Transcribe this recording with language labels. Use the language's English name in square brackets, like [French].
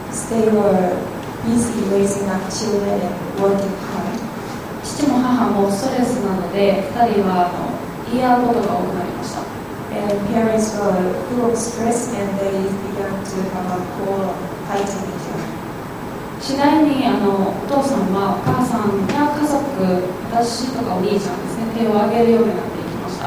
[English] they were busy raising up children and working hard. [Japanese] 父も母もストレスなので、二人は言い合うことが多くなりました。 [English] And parents were full of stress and they began to have a quarrel, fighting each other. [Japanese] 次第にお父さんはお母さんや家族、私とかお兄ちゃんですね、手を挙げるようになっていきました。